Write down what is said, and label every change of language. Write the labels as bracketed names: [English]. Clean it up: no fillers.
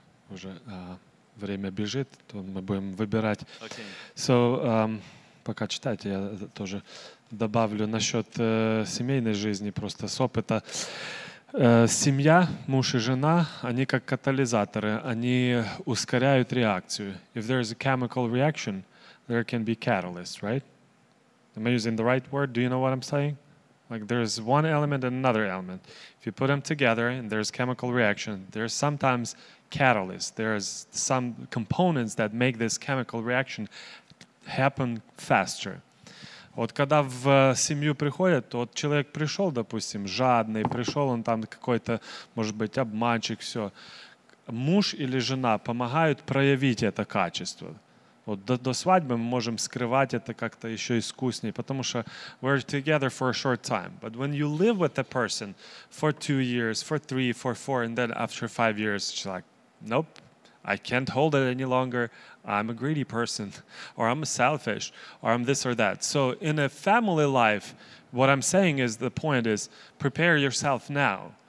[Russian] Уже время бежит, то мы будем выбирать. [English] Okay. [Russian] Пока читайте, я тоже добавлю насчет семейной жизни, просто с опыта. Семья, муж и жена, они как катализаторы, они ускоряют реакцию. [English] If there is a chemical reaction, there can be catalyst, right? Am I using the right word? Do you know what I'm saying? Like there's one element and another element. If you put them together and there's chemical reaction, there's sometimes catalyst. There's some components that make this chemical reaction happen faster. [Russian] Вот когда в семью приходят, то вот человек пришел, допустим, жадный, пришел он там какой-то, может быть, обманщик, все. Муж или жена помогают проявить это качество. Вот до свадьбы мы можем скрывать это как-то еще искуснее, потому что [English] we're together for a short time. But when you live with a person for 2 years, for 3, for 4, and then after 5 years, she's like, nope, I can't hold it any longer. I'm a greedy person, or I'm selfish, or I'm this or that. So in a family life, what I'm saying is, the point is, prepare yourself now.